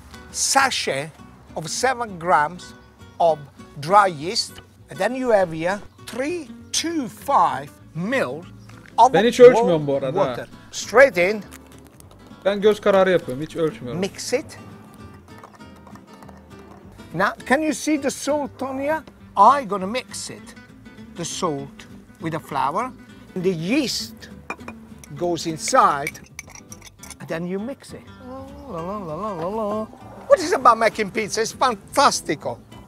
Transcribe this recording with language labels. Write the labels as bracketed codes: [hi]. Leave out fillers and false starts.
[en] sachet of 7 grams of dry yeast. And then you have here 325 ml of [tr] ben hiç ölçmüyorum bu arada. [en] Water. Straight in. [tr] Ben göz kararı yapıyorum, hiç ölçmüyorum. [en] Mix it. Now, can you see the salt on here? I'm gonna mix it, the salt with the flour. The yeast goes inside, and then you mix it. La, la, la, la, la, la. What is about making pizza? It's fantastico.